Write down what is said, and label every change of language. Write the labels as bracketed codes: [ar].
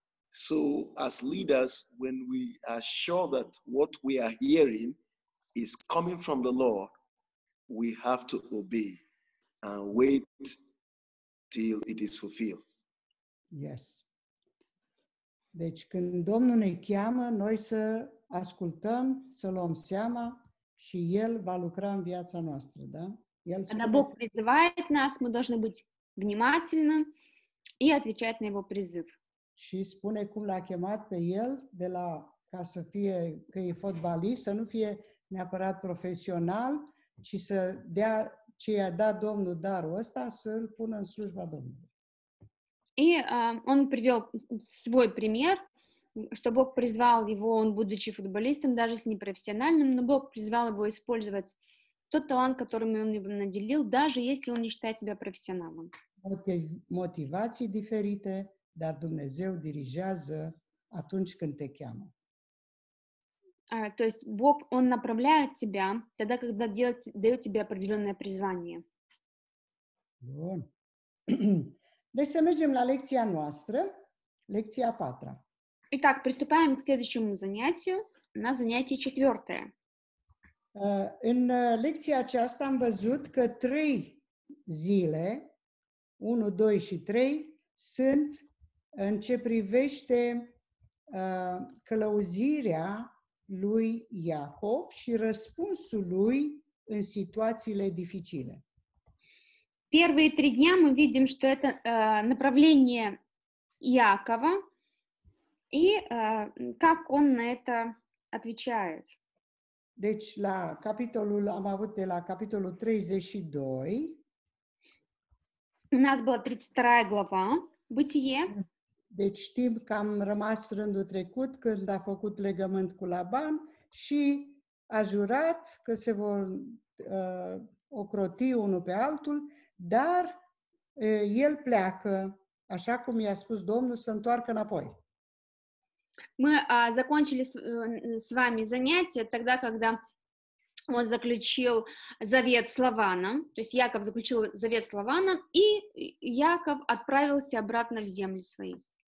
[en] So as leaders, when we are sure that what we are hearing is coming from the Lord, we have to obey and wait till it is fulfilled. Yes. [ro] Deci când Domnul ne cheamă, noi să ascultăm, să luăm seama și El va lucra în viața noastră, da? El spune... [ru] Когда Бог призывает нас, мы должны быть внимательны и отвечать на Его призыв. [ro] Și spune cum l-a chemat pe el de la, ca să fie, că e fotbalist, să nu fie neapărat profesional, ci să dea ce i-a dat Domnul darul ăsta, să îl pună în slujba Domnului. [ru] И он привел свой пример, что Бог призвал его, он будучи футболистом, даже если не профессиональным, но Бог призвал его использовать тот талант, которым он его наделил, даже если он не считает себя профессионалом. [ro] Мотивации диферите, дар Думнезеу дирижează atunci când te cheamă. [ru] То есть Бог, он направляет тебя тогда, когда делает, дает тебе определенное призвание. [ro] Bun. Deci să mergem la lecția noastră, lecția a patra. [ru] Итак, приступаем к следующему занятию, на занятие четвертое. [ro] În lecția aceasta am văzut că trei zile, 1, 2 și 3, sunt în ce privește călăuzirea lui Iacov și răspunsul lui în situațiile dificile. [ru] Первые три дня мы видим, что это направление Иакова и как он на это отвечает. [ro] Deci, la capitolul, am avut de la capitolul 32. [ru] У нас была 32 глава, Бытие. [ro] Deci, știm că am rămas rândul trecut când a făcut legământ cu Laban și a jurat că se vor ocroti unul pe altul. Dar el pleacă, așa cum i-a spus Domnul, să întoarcă înapoi. [ru] Мы закончили с вами занятие тогда, когда он заключил завет с Лаваном, то есть Яков заключил завет с Лаваном, и Яков отправился обратно в земли свои.